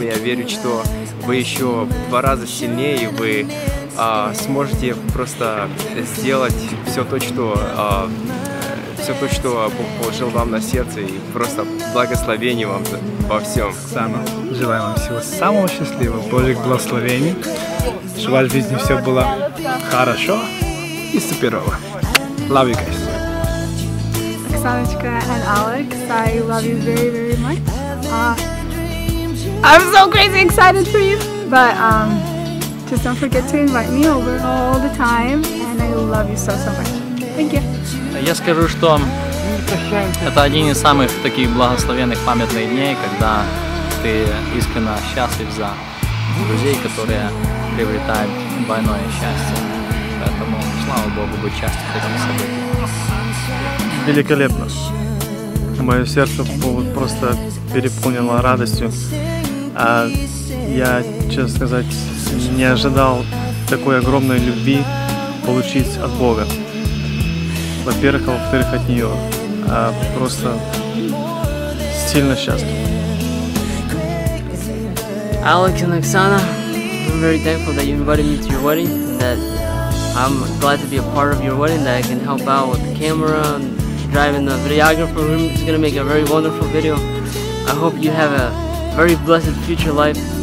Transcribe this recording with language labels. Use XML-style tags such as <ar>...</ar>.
<ru>Я верю, что вы еще в два раза сильнее, и вы сможете просто сделать все то, что Бог положил вам на сердце, и просто благословение вам во всем. Оксана, желаю вам всего самого счастливого, Божьих благословений, чтобы в вашей жизни все было хорошо и суперово.</ru> <en>Love you guys. Оксаночка and Alex, I love you very, very much. I'm so crazy excited for you, but just don't forget to invite me over all the time, and I love you so, so much. Thank you.</en> <ru>Я скажу, что это один из самых таких благословенных памятных дней, когда ты искренне счастлив за друзей, которые приобретают двойное счастье. Поэтому, слава Богу, быть частью этого события. Великолепно. Мое сердце просто переполнило радостью. А я, честно сказать, не ожидал такой огромной любви получить от Бога. Во-первых, а во-вторых, от нее. А просто сильно счастлив.</ru> <en>Alex and Оксана, I'm very thankful that you invited me to your wedding, and that I'm glad to be a part of your wedding, that I can help out with the camera and driving the videographer room. It's going to make a very wonderful video. I hope you have a very blessed future life.</en>